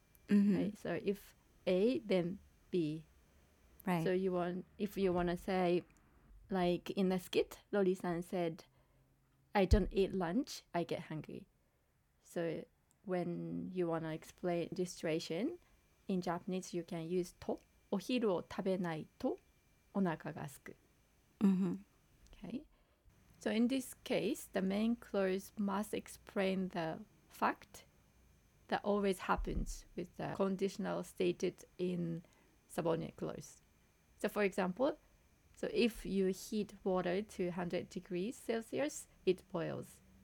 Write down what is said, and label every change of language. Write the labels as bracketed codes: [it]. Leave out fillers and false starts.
[en] Right? So if A, then B. Right. So you want, if you want to say, like in the skit, Loli-san said, I don't eat lunch, I get hungry. So when you want to explain this situation in Japanese, you can use to. [ja] お昼を食べないとお腹がすく. [en] Okay. So in this case, the main clause must explain the fact that always happens with the conditional stated in subordinate clause. So for example, so if you heat water to 100 degrees Celsius, it boils.